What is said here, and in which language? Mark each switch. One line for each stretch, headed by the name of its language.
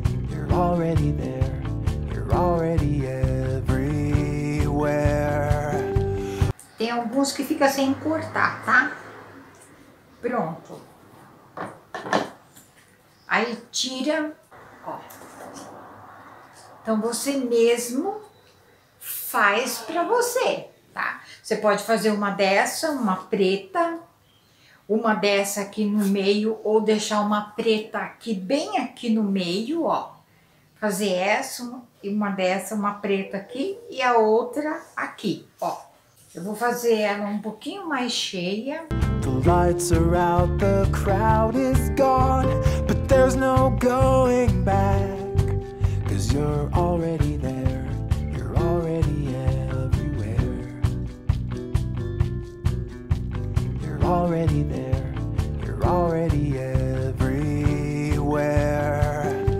English: You're already there, you're already everywhere.
Portuguese: Tem alguns que fica sem cortar, tá? Pronto. Aí Aí tira, ó. Então você mesmo faz pra você, tá? Você pode fazer uma dessa, uma preta, uma dessa aqui no meio, ou deixar uma preta aqui, bem aqui no meio, ó. Fazer essa e uma dessa, uma preta aqui e a outra aqui, ó. Eu vou fazer ela um pouquinho mais cheia.
English: The lights are out, the crowd is gone, but there's no going back, 'cause you're already there, you're already everywhere. You're already there, you're already everywhere.